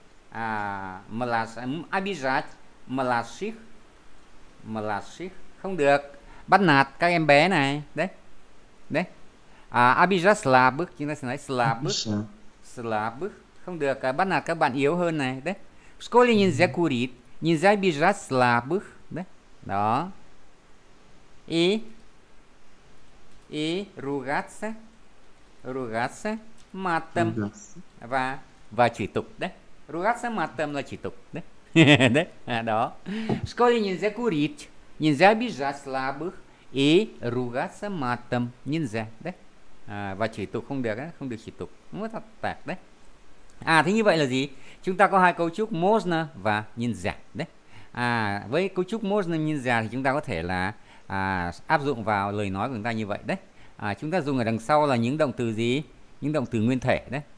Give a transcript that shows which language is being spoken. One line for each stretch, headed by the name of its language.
Russian: À, обижать младших. Младших
Vietnamese: không được, bắt nạt các em bé này đấy đấy. À, abijas là bước, chúng ta sẽ nói là bước, là bước không được, bắt nạt các bạn yếu hơn này đấy.
Russian: Школе нельзя курить, нельзя обижать слабых,
Vietnamese: đấy đó.
Russian: И ругаться, ругаться матом,
Vietnamese: và chửi tục đấy.
Russian: Ругаться матом
Vietnamese: là chửi tục đấy. Đấy, à, đó.
Russian: Школе нельзя курить, нельзя обижать слабых и ругаться матом, нельзя, đấy.
Vietnamese: À, và chửi tục không được, không được chửi tục, không có thật tạc đấy. À, thế như vậy là gì? Chúng ta có hai cấu trúc можно và нельзя, đấy. À, với cấu trúc можно và нельзя thì chúng ta có thể là áp dụng vào lời nói của chúng ta như vậy, đấy. À, chúng ta dùng ở đằng sau là những động từ gì? Những động từ nguyên thể, đấy.